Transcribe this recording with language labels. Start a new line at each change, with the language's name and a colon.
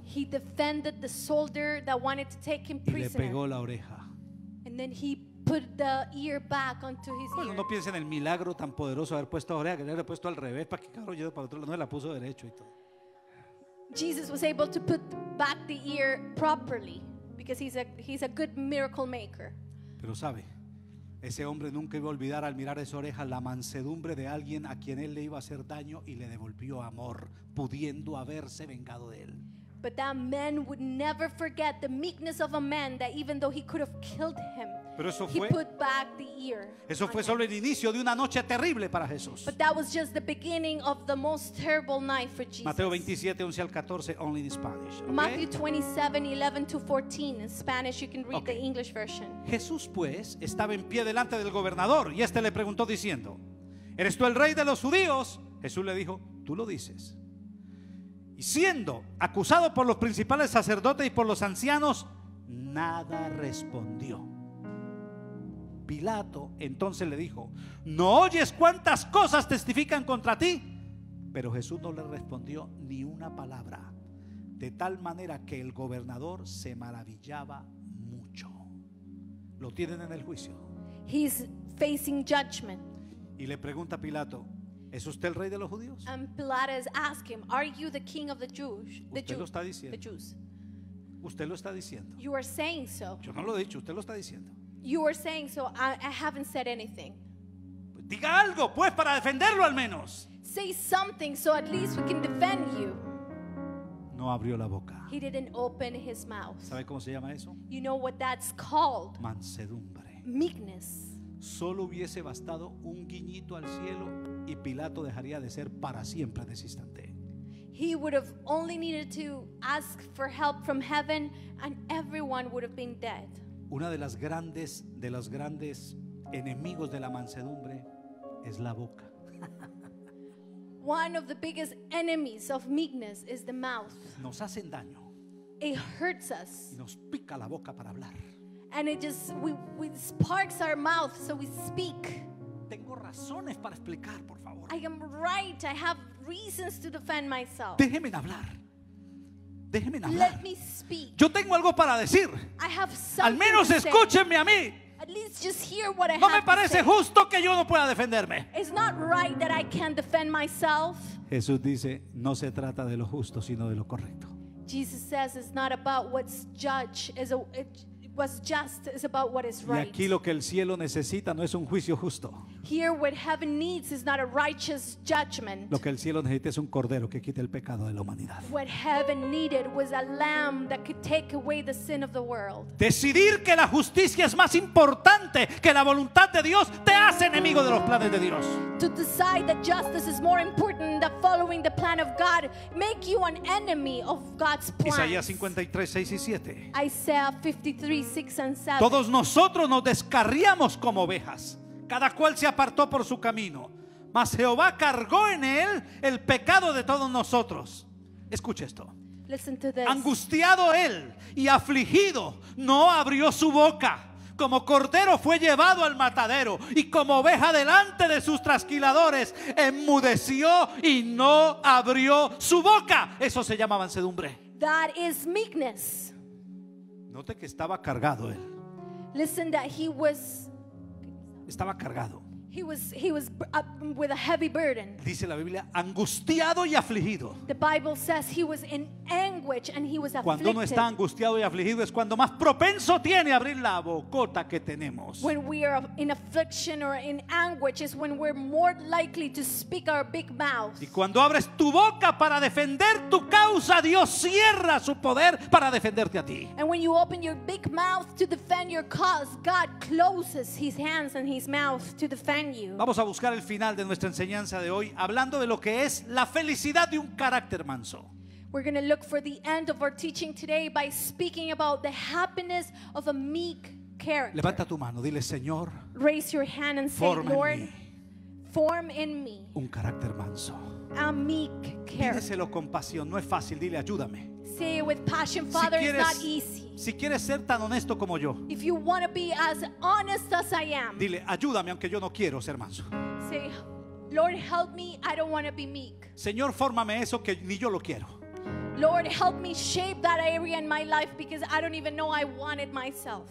English: He defended the soldier that wanted to take him prisoner.
Spanish: Y le pegó la oreja.
English: And then he put the ear back onto his ear.
Spanish: Bueno, no piensen en el milagro tan poderoso de haber puesto la oreja, que le había puesto al revés, para que cabro yo para otro lado, no se la puso derecho y todo.
English: Jesus was able to put back the ear properly because he's a good miracle maker.
Spanish: Pero sabe, ese hombre nunca iba a olvidar al mirar esa oreja la mansedumbre de alguien a quien él le iba a hacer daño y le devolvió amor, pudiendo haberse vengado de él.
English: But that man would never forget the meekness of a man that even though he could have killed him,
Spanish: pero eso
English: he put back the ear.
Spanish: Eso fue solo el inicio de una noche terrible para Jesús.
English: But that was just the beginning of the most terrible night for Jesus.
Spanish: Mateo 27, 11 al 14,
English: only in Spanish. Okay? Matthew 27, 11 to 14, in Spanish, you can read okay. The English version.
Spanish: Jesús pues estaba en pie delante del gobernador y este le preguntó diciendo, ¿eres tú el rey de los judíos? Jesús le dijo, tú lo dices. Y siendo acusado por los principales sacerdotes y por los ancianos, nada respondió. Pilato entonces le dijo, ¿no oyes cuántas cosas testifican contra ti? Pero Jesús no le respondió ni una palabra, de tal manera que el gobernador se maravillaba mucho. Lo tienen en el juicio.
English: He's facing judgment.
Spanish: Y le pregunta a Pilato, ¿es usted el rey de los judíos?
English: And Pilatus asked him, are you the king of the Jews?
Spanish: Usted lo está diciendo.
English: The Jews.
Spanish: Usted lo está diciendo.
English: You are saying so.
Spanish: Yo no lo he dicho, usted lo está diciendo.
English: You are saying so, I haven't said anything.
Spanish: Pues diga algo, pues, para defenderlo al menos.
English: Say something so at least we can defend you.
Spanish: No abrió la boca.
English: He didn't open his mouth.
Spanish: ¿Sabe cómo se llama eso?
English: You know what that's called?
Spanish: Mansedumbre.
English: Meekness.
Spanish: Solo hubiese bastado un guiñito al cielo y Pilato dejaría de ser para siempre desistente.
English: He would have only needed to ask for help from heaven and everyone would have been dead.
Spanish: Una de las grandes enemigos de la mansedumbre es la boca.
English: One of the biggest enemies of meekness is the mouth.
Spanish: Nos hacen daño.
English: It hurts us.
Spanish: Y nos pica la boca para hablar.
English: And it just we sparks our mouth so we speak.
Spanish: Tengo razones para explicar, por favor.
English: I am right. I have reasons to defend myself.
Spanish: Déjeme hablar. Déjeme hablar.
English: Let me speak.
Spanish: Yo tengo algo para decir.
English: I have something.
Spanish: Al menos escúchenme a mí.
English: At least just hear what I have to say.
Spanish: No me parece justo que yo no pueda defenderme.
English: It's not right that I can't defend myself.
Spanish: Jesús dice, no se trata de lo justo, sino de lo correcto.
English: Jesus says it's not about what's judged, what's just is about what is right.
Spanish: Y aquí lo que el cielo necesita no es un juicio justo.
English: Here what heaven needs is not a righteous judgment.
Spanish: Lo que el cielo necesita es un cordero que quite el pecado de la humanidad.
English: What heaven needed was a lamb that could take away the sin of the world.
Spanish: Decidir que la justicia es más importante que la voluntad de Dios te hace enemigo de los planes de Dios.
English: To decide that justice is more important than following the plan of God make you an enemy of God's plan.
Spanish: Isaías 53, 6 y 7.
English: Isaiah 53, 6 and 7.
Spanish: Todos nosotros nos descarriamos como ovejas. Cada cual se apartó por su camino, mas Jehová cargó en él el pecado de todos nosotros. Escuche esto.
English: Listen to this.
Spanish: Angustiado él y afligido, no abrió su boca. como cordero fue llevado al matadero, y como oveja delante de sus trasquiladores enmudeció y no abrió su boca. Eso se llama mansedumbre.
English: That is meekness.
Spanish: Note que estaba cargado él.
English: Listen, that he was.
Spanish: Estaba cargado.
English: He was with a heavy burden.
Spanish: Dice la Biblia, angustiado y afligido.
English: The Bible says he was in anguish and he was afflicted.
Spanish: Cuando uno está angustiado y afligido es cuando más propenso tiene a abrir la bocota que tenemos.
English: When we are in affliction or in anguish is when we're more likely to speak our big mouth.
Spanish: Y cuando abres tu boca para defender tu causa, Dios cierra su poder para defenderte a ti.
English: And when you open your big mouth to defend your cause, God closes his hands and his mouth to defend.
Spanish: Vamos a buscar el final de nuestra enseñanza de hoy hablando de lo que es la felicidad de un carácter manso.
English: We're going to look for the end of our teaching today by speaking about the happiness of a meek character.
Spanish: Levanta tu mano, dile, Señor.
English: Raise your hand and say, Lord, form in me
Spanish: un carácter manso.
English: A meek character.
Spanish: Pídeselo con pasión, no es fácil, dile, ayúdame.
English: Say it with passion, Father,
Spanish: si quieres,
English: it's not easy.
Spanish: Si quieres ser tan honesto como yo,
English: if you want to be as honest as I am,
Spanish: dile, ayúdame, aunque yo no quiero ser manso.
English: Say, Lord, help me, I don't want to be meek.
Spanish: Señor, fórmame eso que ni yo lo quiero.
English: Lord, help me shape that area in my life because I don't even know I want it myself.